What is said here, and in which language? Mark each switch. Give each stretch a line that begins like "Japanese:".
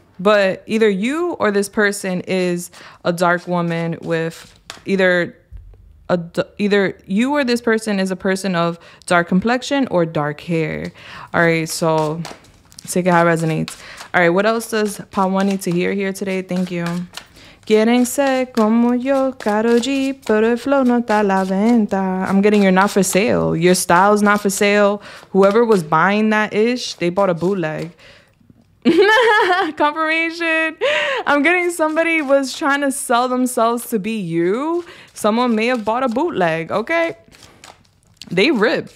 English: But either you or this person is a dark woman with either you or this person is a person of dark complexion or dark hair. All right, so take it how it resonates. All right, what else does Pawan need to hear here today? Thank you.
Spanish: Quieren ser como yo, caro G, pero el flow no está a la venta.
English: I'm getting you're not for sale. Your style's not for sale. Whoever was buying that ish, they bought a bootleg. Confirmation. I'm getting somebody was trying to sell themselves to be you. Someone may have bought a bootleg, okay? They rip.